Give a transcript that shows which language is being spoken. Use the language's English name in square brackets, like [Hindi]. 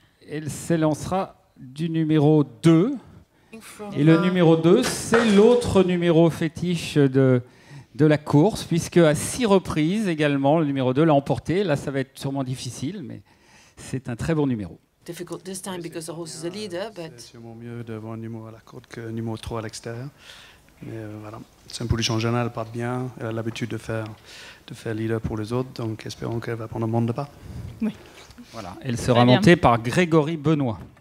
[French] Elle s'élancera du numéro 2. Et le numéro 2, c'est l'autre numéro fétiche de la course, puisque à 6 reprises également, le numéro 2 l'a emporté. Là, ça va être sûrement difficile, mais c'est un très bon numéro. [English] Difficult this time because the horse is a leader, but... [French] C'est sûrement mieux d'avoir un numéro à la corde que un numéro 3 à l'extérieur. Mais voilà, c'est une position générale, elle part bien. Elle a l'habitude de faire leader pour les autres, donc espérons qu'elle va prendre un monde de pas. Oui. Voilà, elle sera montée par Grégory Benoît.